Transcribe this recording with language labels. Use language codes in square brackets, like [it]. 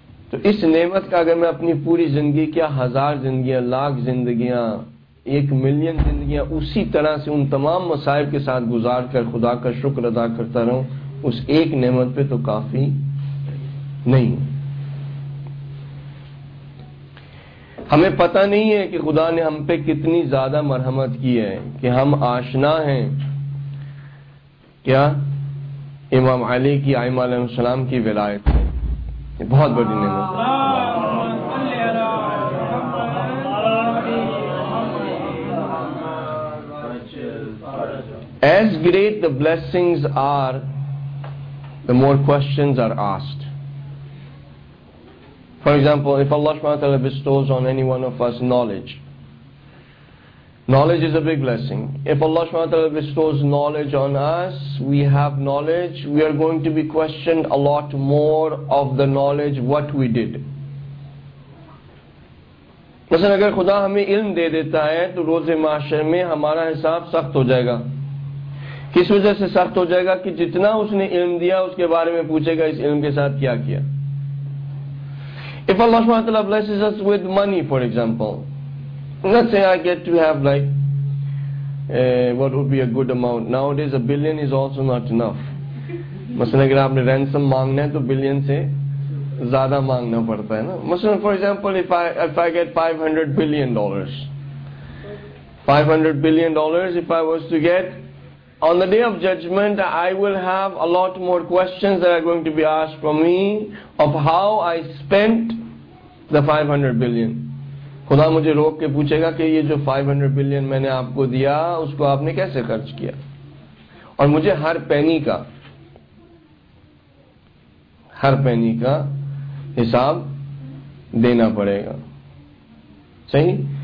[ur] to is nemat ka agar main apni puri zindagi, kya hazar zindagiyan, lakh zindagiyan, ایک million زندگیاں اسی طرح سے ان تمام مصائب کے ساتھ گزار کر خدا کا شکر ادا کرتا رہوں, اس ایک نعمت پہ تو کافی نہیں. ہمیں پتہ نہیں ہے کہ خدا نے ہم پہ کتنی زیادہ مرحمت کی ہے کہ ہم آشنا ہیں کیا امام علی کی آئمہ علیہ السلام کی ولایت سے. بہت بڑی نعمت ہے. [en] As great the blessings are, the more questions are asked. For example, if Allah subhanahu wa ta'ala bestows on any one of us knowledge, knowledge is a big blessing. If Allah subhanahu wa ta'ala bestows knowledge on us, we have knowledge, we are going to be questioned a lot more of the knowledge, what we did. [ur] مثلا اگر خدا ہمیں علم دے دیتا ہے تو روز معاشر میں ہمارا حساب سخت ہو جائے گا. کس وجہ سے سخت ہو جائے گا؟ کہ جتنا اس نے علم دیا اس کے بارے میں پوچھے گا اس علم کے ساتھ کیا کیا. [en] If Allah subhanahu wa ta'ala blesses us with money, for example, let's say I get to have like what would be a good amount. Nowadays a billion is also not enough. [ur] مثلا اگر آپ نے ransom مانگنا ہے تو billion سے زیادہ مانگنا پڑتا ہے نا. [en] مثلا for example if I get $500 billion, $500 billion, if I was to get, on the day of judgment, I will have a lot more questions that are going to be asked from me of how I spent the 500 billion. [ur] خدا مجھے روک کے پوچھے گا کہ یہ جو 500 billion میں نے آپ کو دیا اس کو آپ نے کیسے خرچ کیا, اور مجھے ہر پینی کا حساب دینا پڑے گا. صحیح.